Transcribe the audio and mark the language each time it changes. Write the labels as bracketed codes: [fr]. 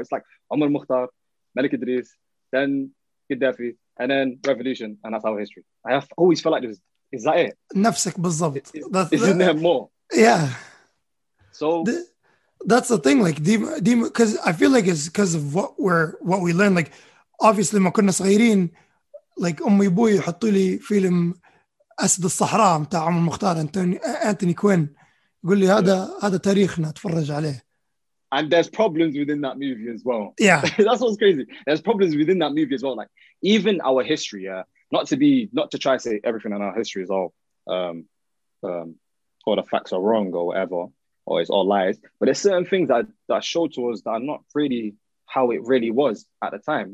[en] It's like, Omar Mukhtar, Malik Idris, then Gaddafi, and then revolution, and that's our history. I have always felt like this. Is that it? [ar] نفسك بالضبط. [en] Isn't there more? Yeah. So that's the thing. Like, because I feel like it's because of what we learned. Like, obviously, [ar] ما كنا صغيرين. [en] Like, [ar] أمي بوي حطوا لي فيلم أسد الصحراء متاع عمر مختار أنتوني كوين. قل لي هذا تاريخنا تفرج عليه. [en] And there's problems within that movie as well. Yeah. That's what's crazy. There's problems within that movie as well. Like, even our history, not to try to say everything in our history is all, or the facts are wrong or whatever, or it's all lies. But there's certain things that show to us that are not really how it really was at the time.